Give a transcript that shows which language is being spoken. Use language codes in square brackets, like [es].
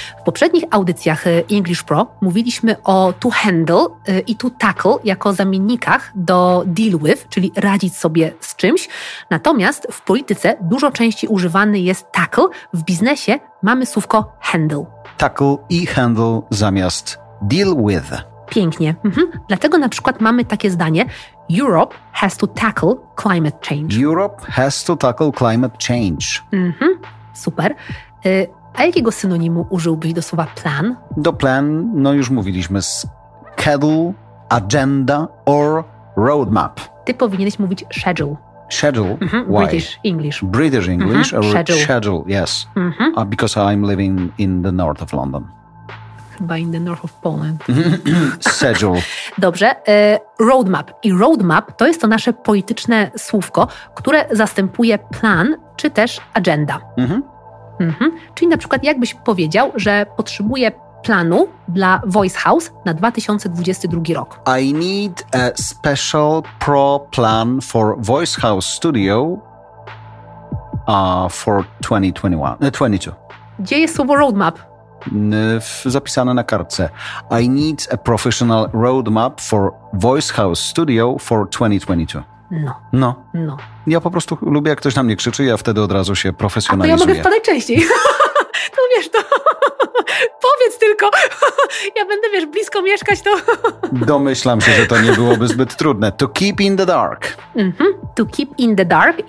[pl] W poprzednich audycjach English Pro mówiliśmy o to handle i to tackle jako zamiennikach do deal with, czyli radzić sobie z czymś. Natomiast w polityce dużo częściej używany jest tackle, w biznesie mamy słówko handle. Tackle i handle zamiast deal with. Pięknie. Dlatego na przykład mamy takie zdanie: [en] Europe has to tackle climate change. Europe has to tackle climate change. Mhm. Super. [pl] A jakiego synonimu użyłbyś do słowa plan? Do plan, no już mówiliśmy, [en] schedule, agenda or roadmap. [pl] Ty powinieneś mówić schedule. [en] Schedule? Why? British English or schedule, yes. Mm-hmm. Because I'm living in the north of London. By in the north of Poland. Schedule. [pl] Dobrze. Roadmap. I roadmap to jest to nasze polityczne słówko, które zastępuje plan czy też agenda. Mm-hmm. Mm-hmm. Czyli na przykład jakbyś powiedział, że potrzebuje planu dla Voice House na 2022 rok. [en] I need a special pro plan for Voice House Studio for 2022. [pl] Gdzie jest słowo roadmap? Zapisane na kartce. [en] I need a professional roadmap for Voice House Studio for 2022. [pl] No. Ja po prostu lubię, jak ktoś na mnie krzyczy, ja wtedy od razu się profesjonalizuję. A to ja mogę wpadać częściej. To wiesz, to powiedz tylko. Ja będę, wiesz, blisko mieszkać, to... Domyślam się, że to nie byłoby zbyt trudne. [en] To keep in the dark. Mm-hmm. To keep in the dark.